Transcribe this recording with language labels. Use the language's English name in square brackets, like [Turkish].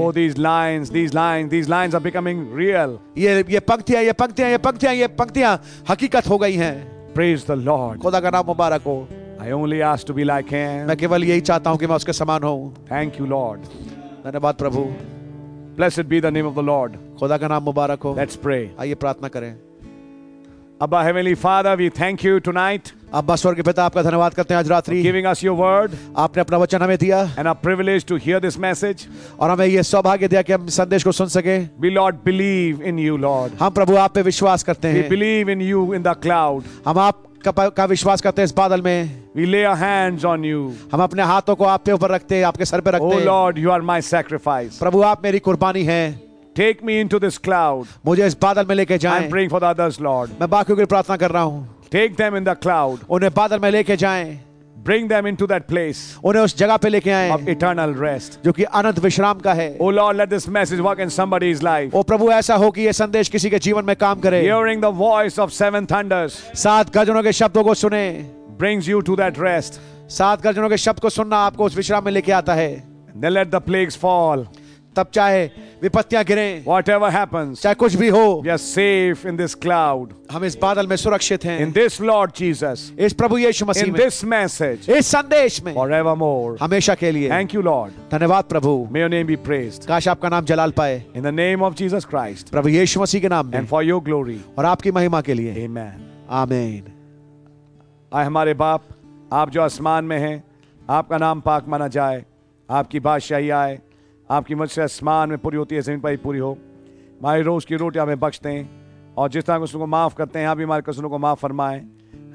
[English] Oh, these lines are becoming real. [Hindi] ये पंक्तियाँ हकीकत हो गई हैं. [English] Praise the Lord. [Hindi] खुदा का नाम मुबारक हो. [English] I only ask to be like him. [Hindi] मैं केवल यही चाहता हूँ कि मैं उसके समान हूँ. [English] Thank you, Lord. [Hindi] धन्यवाद प्रभु. [English] Blessed be the name of the Lord. [Hindi] खुदा का नाम मुबारक हो. [English] Let's pray. [Hindi] आइए प्रार्थना करें. [English] Abba Heavenly Father, we thank you tonight. [Hindi] अब्बा स्वर्ग के पिता आपका धन्यवाद करते हैं आज रात्रि. [English] Giving us your word. [Hindi] आपने अपना वचन हमें दिया. [English] And a privilege to hear this message. [Hindi] और हमें यह सौभाग्य दिया कि हम संदेश को सुन सके. [English] We Lord believe in you, Lord. [Hindi] हम प्रभु आप पे विश्वास करते हैं. [English] We believe in you in the cloud. [Hindi] हम आप का विश्वास करते हैं इस बादल में. [English] We lay our hands on you. [Hindi] हम अपने हाथों को आपके ऊपर रखते हैं, आपके सर पे रखते हैं. [English] Oh Lord, you are my sacrifice. [Hindi] प्रभु आप मेरी कुर्बानी हैं. [English] Take me into this cloud. [Hindi] मुझे इस बादल में लेके जाएं. [English] I'm praying for the others, Lord. [Hindi] मैं बाकियों के लिए प्रार्थना कर रहा हूँ. [English] Take them in the cloud. [Hindi] उन्हें बादल में लेके जाएं. [English] Bring them into that place. [Hindi] उन्हें उस जगह पे लेके आएं. [English] Of eternal rest. [Hindi] जो कि अनंत विश्राम का है. [English] Oh Lord, let this message work in somebody's life. [Hindi] ओ प्रभु ऐसा हो कि ये संदेश किसी के जीवन में काम करे. [English] Hearing the voice of seven thunders. [Hindi] सात गजनों के शब्दों को सुने. [English] brings you to that rest. [Hindi] सात गर्जनों के शब्द को सुनना आपको उस विश्राम में लेके आता है. [English] Then let the plagues fall. [Hindi] तब चाहे विपत्तियां गिरें. [English] Whatever happens. [Hindi] चाहे कुछ भी हो. [English] We are safe in this cloud. [Hindi] हम इस बादल में सुरक्षित हैं. [English] In this Lord Jesus. [Hindi] इस प्रभु यीशु मसीह में. [English] In this message. [Hindi] इस संदेश में. [English] Forevermore. [Hindi] हमेशा के लिए. [English] Thank you, Lord. [Hindi] धन्यवाद प्रभु. [English] May your name be praised. [Hindi] काश आपका नाम जलाल पाए. [English] In the name of Jesus Christ. [Hindi] प्रभु यीशु मसीह के नाम में. [English] And for your glory. [Hindi] और आपकी महिमा के लिए. [English] Amen. Amen. [Hindi] आए हमारे बाप, आप जो आसमान में हैं, आपका नाम पाक माना जाए, आपकी बादशाही आए, आपकी मर्जी आसमान में पूरी होती है जमीन पर ही पूरी हो. हमारी रोज़ की रोटी हमें बख्श दें, और जिस तरह कसूरों को माफ़ करते हैं आप भी हमारे कसूरों को माफ़ फरमाएं.